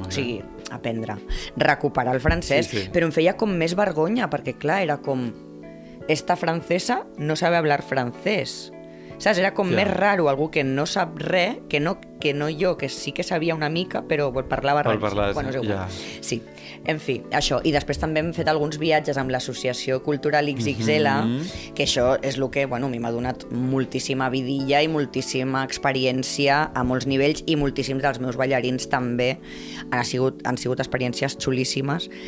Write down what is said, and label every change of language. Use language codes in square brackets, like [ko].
[ca] O sigui, aprendre, recuperar el francès. Sí, sí. Però em feia com més vergonya, perquè clar, era com... [es] Esta francesa no sabe hablar francés. [ca] Saps? Era com més raro algú que no sap res, que no jo, que sí que sabia una mica, però parlava res. Sí, en fi, això. I després també hem fet alguns viatges amb l'associació cultural XXL, que això és el que, bueno, a mi m'ha donat moltíssima vidilla i moltíssima experiència a molts nivells, i moltíssims dels meus ballarins també han sigut experiències xulíssimes.